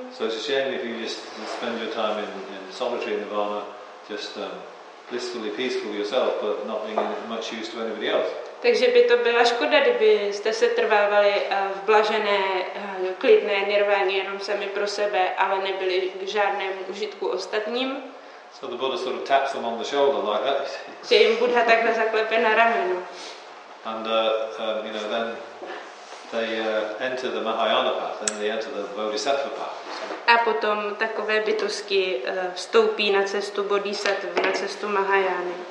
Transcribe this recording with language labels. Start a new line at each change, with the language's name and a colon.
English: So it's a shame if you just spend your time in solitary nirvana, just blissfully peaceful yourself, but not being much use to anybody else.
Czech: Takže by to byla škoda, kdybyste se trvávali v blažené, klidné nirváně jenom sami pro sebe, ale nebyli k žádnému užitku ostatním.
English: So the Buddha sort of taps them on the shoulder like that.
Czech: Že jim Buddha takhle zaklepe na rameno.
English: And you know, then they enter the Mahayana path, then they enter the Bodhisattva path.
Czech: A potom takové bytosti vstoupí na cestu Bodhisattva, na cestu Mahayany.